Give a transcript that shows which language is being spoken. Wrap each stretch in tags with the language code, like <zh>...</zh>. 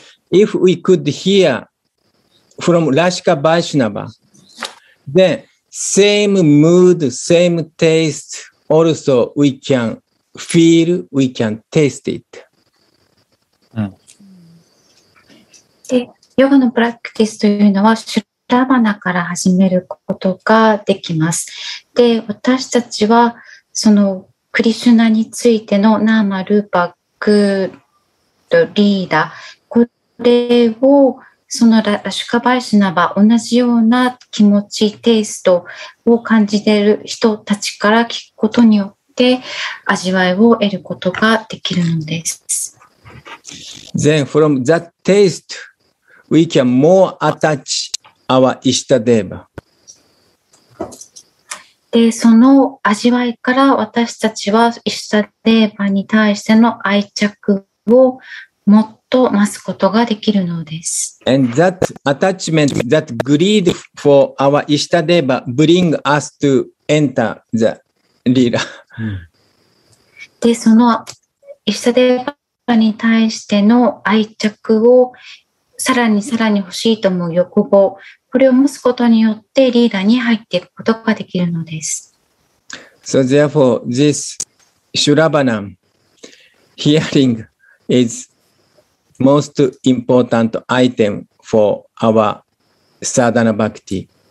<en>If we could hear from Rashika Vaishnava, the same mood, same taste, also we can feel, we can taste it.、</en> <ja>で、ヨガのプラクティスというのはシュラバナから始めることができます。で、私たちはそのクリシュナについてのナーマ・ルーパックリーダー、これをそのラシュカバイシナバ同じような気持ちテイストを感じている人たちから聞くことによって味わいを得ることができるのです。</ja> <en>Then from that taste we can more attach our Ishtadeva。</en> <ja>でその味わいから私たちはイシタデーバに対しての愛着をもっと増すことができるのです。</ja> <en>And that attachment, that greed for our Ishtadeva bring us to enter the Lila。</en> <ja>でそのイシタデーバに対しての愛着をさらにさらに欲しいと思う欲望、これを持つことによってリーダーに入っていくことができるのです。</ja> <en>So therefore this Shurabhanam hearing is most important item for our sadhana bhakti。</en>